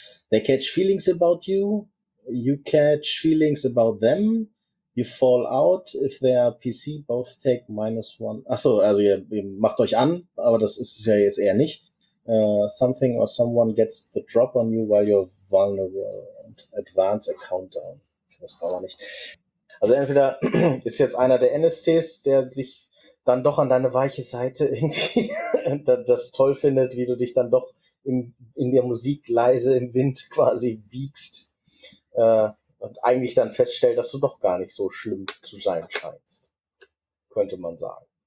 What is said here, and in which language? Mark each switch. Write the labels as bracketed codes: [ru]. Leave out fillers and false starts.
[en] They catch feelings about you, you catch feelings about them, you fall out, if they are PC, both take minus one. [de] Achso, also ihr macht euch an, aber das ist es ja jetzt eher nicht. [en] Something or someone gets the drop on you while you're vulnerable. Advance a Countdown. [de] Das war aber nicht. Also entweder ist jetzt einer der NSCs, der sich dann doch an deine weiche Seite irgendwie das toll findet, wie du dich dann doch in der Musik leise im Wind quasi wiegst und eigentlich dann feststellt, dass du doch gar nicht so schlimm zu sein scheinst. Könnte man sagen.